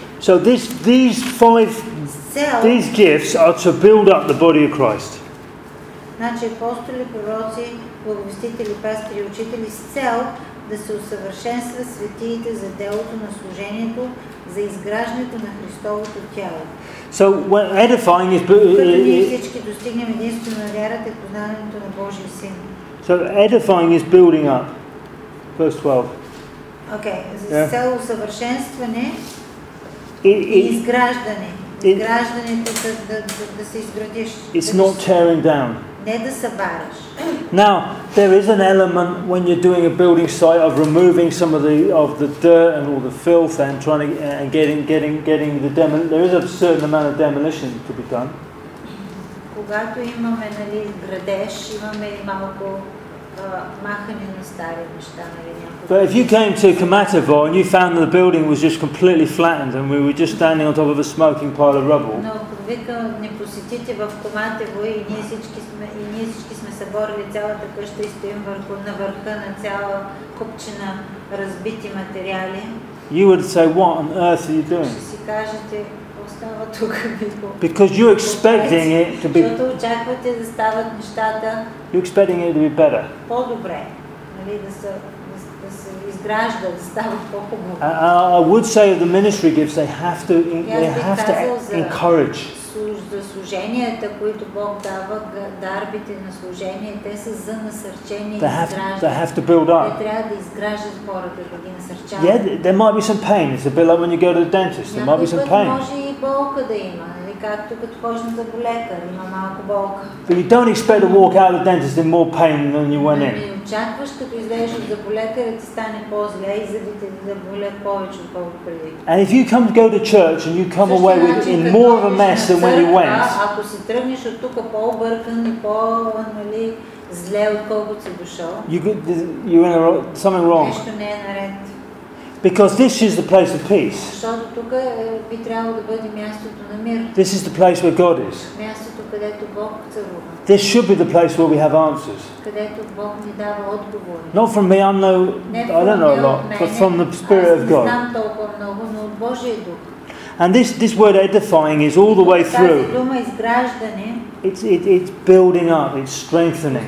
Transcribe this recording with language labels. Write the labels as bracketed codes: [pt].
[en] So these five, these gifts are to build up the body of Christ. [bg] Значи апостоли, пророци, благовестители, пастири, учители с цел да се усъвършенства светиите за делото на служението, за изграждането на Христовото тяло. [en] So when edifying is [bg] всички достигнем единство на вярата и познанието на Божия син. [en] So edifying is building up. Verse 12. [bg] Okay, за цел усъвършенстване и изграждане. Изграждането да се изградиш. [en] It's not tearing down. [bg] Не да събараш. [en] Now, there is an element when you're doing a building site of removing some of the dirt and all the filth and trying to and getting the demolition. There is a certain amount of demolition to be done. [bg] Когато имаме, нали, градеж, имаме и малко махане на стари неща, нали, някакво. [en] But if you came to Komatovo and you found that the building was just completely flattened and we were just standing on top of a smoking pile of rubble. [bg] Но ако не посетите в Komatovo и ние всички сме съборили цялата къща и стоим върху на върха на цяла купчина разбити материали. [en] You would say, what on earth are you doing? [bg] Ще си кажете, остава тук. [en] Because you're expecting it to be. [bg] Защото очаквате да стават нещата. [en] You're expecting it to be better. [bg] По-добре, нали, да се изгражда, да става по-хубаво. [en] I would say the ministry gifts they have to encourage. [bg] За служенията, които Бог дава, дарбите на служение, те са за насърчение и изграждане. [en] They have to build up. [bg] Те трябва да изграждат хората, да ги насърчават. [en] Yeah, there might be some pain. It's a bit like when you go to the dentist. There might be some pain. [bg] Може и болка да има. Или както като почна да болека, има малко болка. [en] But you don't expect to walk out of the dentist in more pain than you went in. [bg] Не очакваш, като излезеш от болека, да ти стане по-зле и зъбите да болят повече, отколкото преди. [en] And if you come to go to church and you come away with in more of a mess than when you went. [bg] Ако си тръгнеш от тук по-объркан и по, нали, зле, отколкото си дошъл. [en] You're in something wrong. [bg] Нещо не е наред. [en] Because this is the place of peace. [bg] Защото тук би трябвало да бъде мястото на мир. [en] This is the place where God is. [bg] Мястото, където Бог царува. [en] This should be the place where we have answers. [bg] Където Бог ни дава отговори. [en] Not from me, I'm no, I don't know a lot, but from the Spirit of God. [bg] Аз не знам толкова много, но от Божия дух. [en] And this word edifying is all the way through. [bg] Тази дума изграждане. [en] It's building up, it's strengthening.